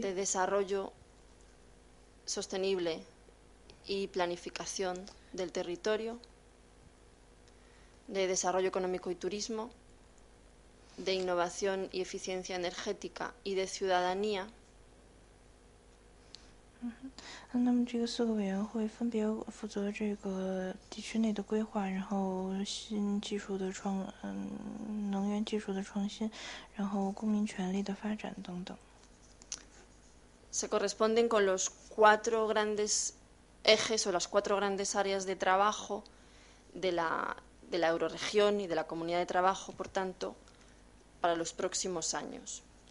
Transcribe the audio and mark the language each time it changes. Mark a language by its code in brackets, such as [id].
[es] de desarrollo sostenible y planificación del territorio, de desarrollo económico y turismo, de innovación y eficiencia energética y de ciudadanía. [zh] 那么这个4个委员会分别负责这个地区内的规划，然后新技术的创，能源技术的创新，然后公民权利的发展等等。 [es] Se corresponden con los cuatro grandes ejes o las cuatro grandes áreas de trabajo de la euroregión y de la comunidad de trabajo, por tanto, para los próximos años.